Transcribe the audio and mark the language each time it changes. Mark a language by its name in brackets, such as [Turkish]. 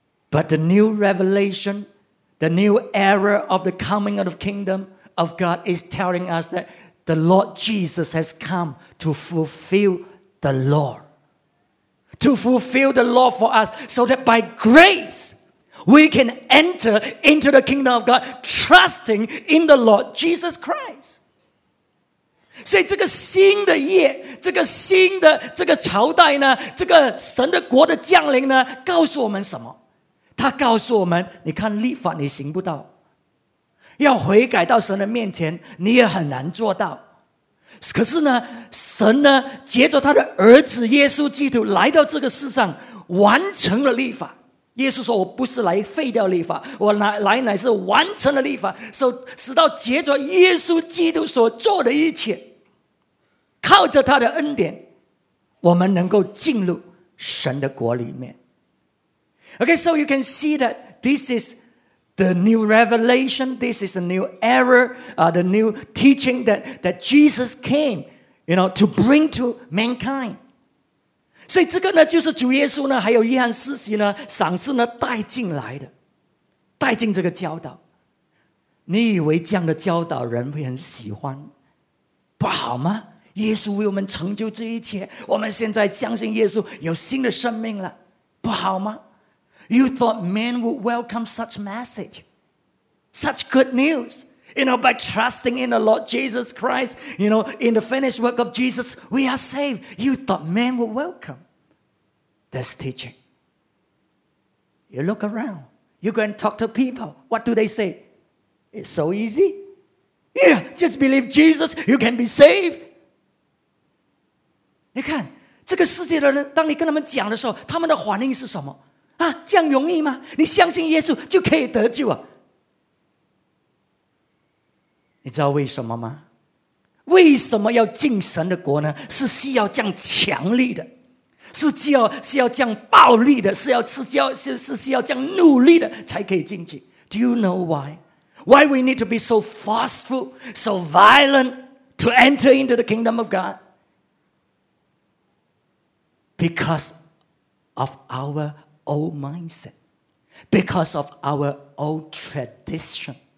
[English] But the new revelation, the new era of the coming of the kingdom of God is telling us that the Lord Jesus has come to fulfill the law. To fulfill the law for us so that by grace we can enter into the kingdom of God trusting in the Lord Jesus Christ. [Chinese] 所以这个新的业，这个新的这个朝代呢，这个神的国的降临呢，告诉我们什么？他告诉我们，你看律法你行不到，要悔改到神的面前，你也很难做到。可是呢，神呢，借着他的儿子耶稣基督来到这个世上，完成了律法。耶稣说，我不是来废掉律法，我来乃是完成了律法，使到藉着耶稣基督所做的一切，靠着他的恩典，我们能够进入神的国里面。 [English] Okay, so you can see that this is the new revelation, this is a new era, the new teaching that Jesus came, you know, to bring to mankind. [Chinese] 所以这个呢，就是主耶稣呢，还有约翰施洗呢，赏赐呢带进来的，带进这个教导。你以为这样的教导人会很喜欢，不好吗？耶稣为我们成就这一切，我们现在相信耶稣有新的生命了，不好吗 ？ [English] You thought men would welcome such message, such good news? You know, by trusting in the Lord Jesus Christ, you know, in the finished work of Jesus, we are saved. You thought men would welcome this teaching. You look around. You go and talk to people. What do they say? It's so easy. Yeah, just believe Jesus, you can be saved. [Chinese] 你看，这个世界的人，当你跟他们讲的时候，他们的反应是什么？啊，这样容易吗？你相信耶稣就可以得救啊？你知道为什么吗？为什么要进神的国呢？是需要这样强力的，是需要这样暴力的，是需要这样努力的才可以进去。 [English] Do you know why? Why we need to be so forceful, so violent to enter into the kingdom of God? Because of our old mindset, because of our old tradition.